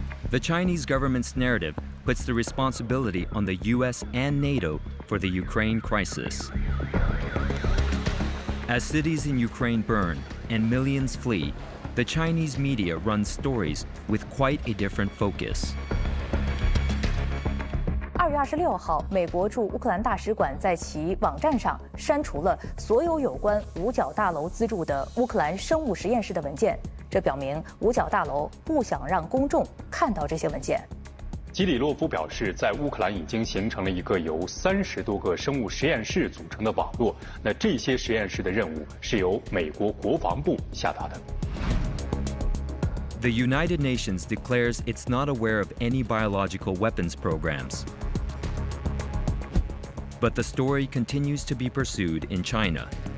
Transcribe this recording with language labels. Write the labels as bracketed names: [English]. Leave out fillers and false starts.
[English] The Chinese government's narrative puts the responsibility on the US and NATO for the Ukraine crisis. As cities in Ukraine burn and millions flee, the Chinese media runs stories with quite a different focus. [Chinese] 二月二十六号，美国驻乌克兰大使馆在其网站上删除了所有有关五角大楼资助的乌克兰生物实验室的文件，这表明五角大楼不想让公众看到这些文件。基里洛夫表示，在乌克兰已经形成了一个由30多个生物实验室组成的网络，那这些实验室的任务是由美国国防部下达的。 [English] The United Nations declares it's not aware of any biological weapons programs. But the story continues to be pursued in China.